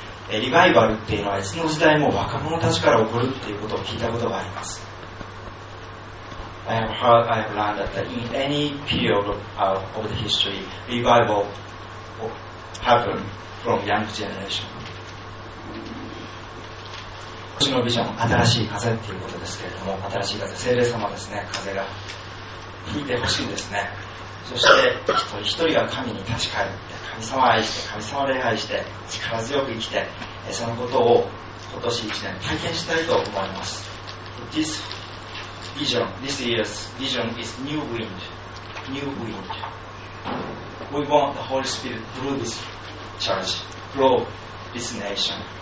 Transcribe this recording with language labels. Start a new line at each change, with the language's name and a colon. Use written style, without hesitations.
Japanese: リバイバルっていうのはいつの時代も若者たちから起こるっていうことを聞いたことがあります。
English: I have learned that in any period of the history, revival happened from young generation.
Japanese: 私のビジョン、新しい風っていうことですけれども、新しい風、聖霊様ですね、風が吹いてほしいですね。そして一人一人が神に立ち返る。神様を愛して、神様を礼拝して、力強く生きて、そのことを今年1年体験したいと思います。
English: This vision, this year's vision is new wind. New wind. We want the Holy Spirit through this church, grow this nation.